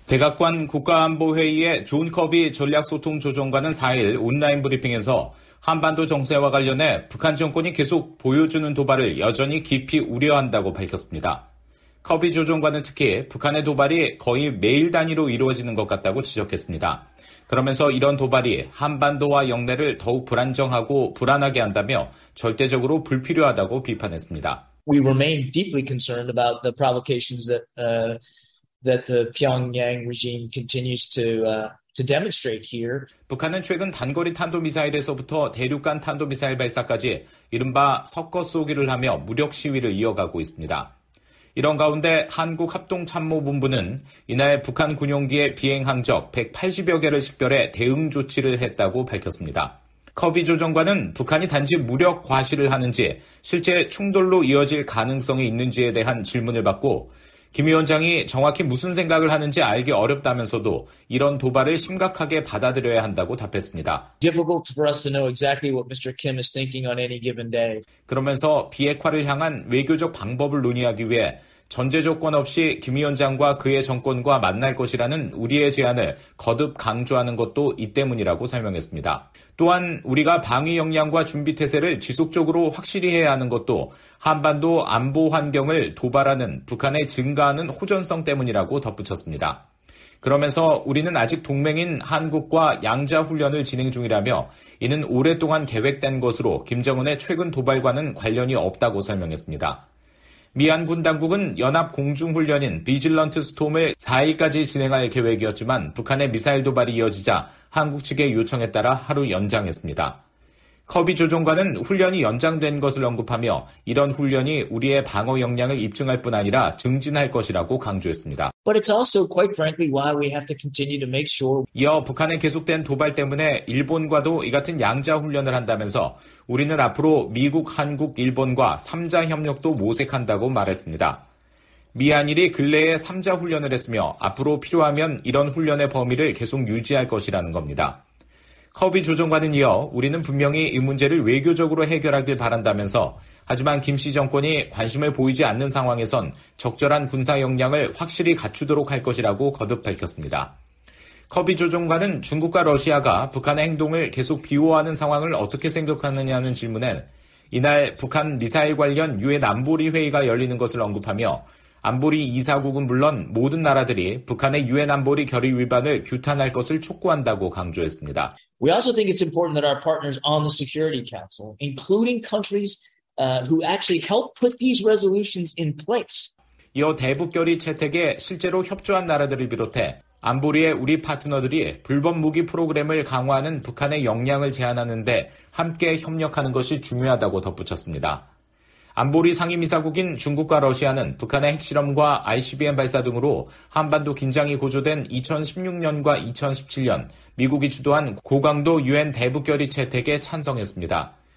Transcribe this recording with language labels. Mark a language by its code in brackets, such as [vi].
[ko] 백악관 국가안보회의의 존 커비 전략소통조정관은 4일 온라인 브리핑에서 한반도 정세와 관련해 북한 정권이 계속 보여주는 도발을 여전히 깊이 우려한다고 밝혔습니다. 커비 조정관은 특히 북한의 도발이 거의 매일 단위로 이루어지는 것 같다고 지적했습니다. 그러면서 이런 도발이 한반도와 영내를 더욱 불안정하고 불안하게 한다며 절대적으로 불필요하다고 비판했습니다. [en] We remain deeply concerned about the provocations that the Pyongyang regime continues to demonstrate here. [ko] 북한은 최근 단거리 탄도미사일에서부터 대륙간 탄도미사일 발사까지 이른바 섞어 쏘기를 하며 무력 시위를 이어가고 있습니다. 이런 가운데 한국합동참모본부는 이날 북한 군용기의 비행 항적 180여 개를 식별해 대응 조치를 했다고 밝혔습니다. 커비 조정관은 북한이 단지 무력 과시를 하는지 실제 충돌로 이어질 가능성이 있는지에 대한 질문을 받고 김 위원장이 정확히 무슨 생각을 하는지 알기 어렵다면서도 이런 도발을 심각하게 받아들여야 한다고 답했습니다. [en] Difficult for us to know exactly what Mr. Kim is thinking on any given day. [ko] 그러면서 비핵화를 향한 외교적 방법을 논의하기 위해 전제 조건 없이 김 위원장과 그의 정권과 만날 것이라는 우리의 제안을 거듭 강조하는 것도 이 때문이라고 설명했습니다. 또한 우리가 방위 역량과 준비 태세를 지속적으로 확실히 해야 하는 것도 한반도 안보 환경을 도발하는 북한의 증가하는 호전성 때문이라고 덧붙였습니다. 그러면서 우리는 아직 동맹인 한국과 양자 훈련을 진행 중이라며 이는 오랫동안 계획된 것으로 김정은의 최근 도발과는 관련이 없다고 설명했습니다. 미한 군 당국은 연합 공중훈련인 비질런트 스톰을 4일까지 진행할 계획이었지만 북한의 미사일 도발이 이어지자 한국 측의 요청에 따라 하루 연장했습니다. 커비 조정관은 훈련이 연장된 것을 언급하며 이런 훈련이 우리의 방어 역량을 입증할 뿐 아니라 증진할 것이라고 강조했습니다. [en] But it's also quite frankly why we have to continue to make sure. [ko] 이어 북한의 계속된 도발 때문에 일본과도 이 같은 양자 훈련을 한다면서 우리는 앞으로 미국, 한국, 일본과 3자 협력도 모색한다고 말했습니다. 미한일이 근래에 3자 훈련을 했으며 앞으로 필요하면 이런 훈련의 범위를 계속 유지할 것이라는 겁니다. 커비 조정관은 이어 우리는 분명히 이 문제를 외교적으로 해결하길 바란다면서 하지만 김 씨 정권이 관심을 보이지 않는 상황에선 적절한 군사 역량을 확실히 갖추도록 할 것이라고 거듭 밝혔습니다. 커비 조정관은 중국과 러시아가 북한의 행동을 계속 비호하는 상황을 어떻게 생각하느냐는 질문에 이날 북한 미사일 관련 유엔 안보리 회의가 열리는 것을 언급하며 안보리 이사국은 물론 모든 나라들이 북한의 유엔 안보리 결의 위반을 규탄할 것을 촉구한다고 강조했습니다. [en] We also think it's important that our partners on the Security Council, including countries who actually helped put these resolutions in place. [ko] 이어 대북 결의 채택에 실제로 협조한 나라들을 비롯해 안보리의 우리 파트너들이 불법 무기 프로그램을 강화하는 북한의 역량을 제한하는데 함께 협력하는 것이 중요하다고 덧붙였습니다. 안보리 상임이사국인 중국과 러시아는 북한의 핵실험과 ICBM 발사 등으로 한반도 긴장이 고조된 2016년과 2017년 미국이 주도한 고강도 유엔 대북결의 채택에 찬성했습니다.